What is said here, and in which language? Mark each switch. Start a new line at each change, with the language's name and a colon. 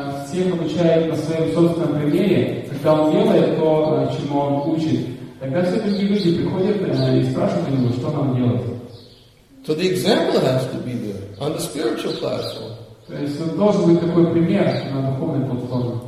Russian: Всех обучает на своем собственном примере, когда он делает то, чему он учит. Тогда все другие люди приходят и спрашивают его, что нам делать.
English: So the example has to be there on the spiritual platform.
Russian: То есть он должен быть такой пример на духовной платформе.